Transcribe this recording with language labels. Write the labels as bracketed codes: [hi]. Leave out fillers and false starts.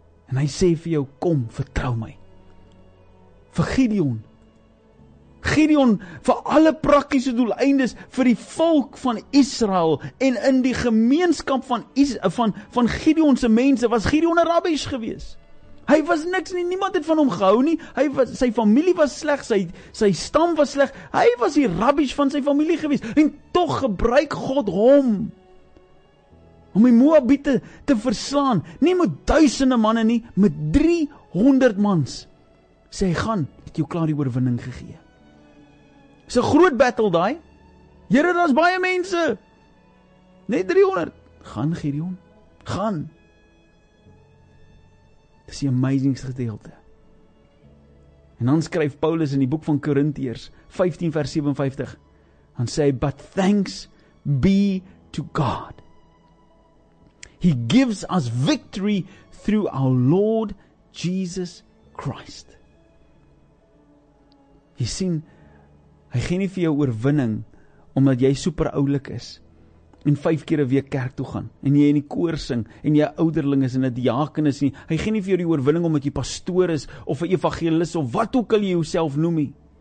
[af] En hy sê vir jou, kom, vertrou my. Vir Gideon. Gideon, vir alle praktiese doeleindes, vir die volk van Israel, en in die gemeenskap van Gideon se mense, was Gideon 'n rabbies gewees. Hy was niks nie, niemand het van hom gehou nie. Hy was, sy familie was sleg, sy stam was sleg. Hy was die rabbies van sy familie gewees. En tog gebruik God hom om die Moabiete te verslaan. Nie met duisende manne nie, met 300 mans. Sê hy gaan, het jou klaar die oorwinning gegee. Dis 'n groot battle daai. Here, daar's baie mense. Net 300. Gaan Gideon, gaan. Dis die amazing gedeelte. En dan skryf Paulus in die boek van Korintiërs 15 vers 57. Dan sê hy, [en] but thanks be to God. He gives us victory through our Lord Jesus Christ. [af] Jy sien, hy gee nie vir jou oorwinning omdat jy super oulik is. En 5 keer 'n week kerk toe gaan en jy in die koor sing en jy ouderling is en 'n diaken is nie. Hy gee nie vir jou die oorwinning omdat jy pastoor is of 'n evangelis of wat ook al jy jouself noem nie.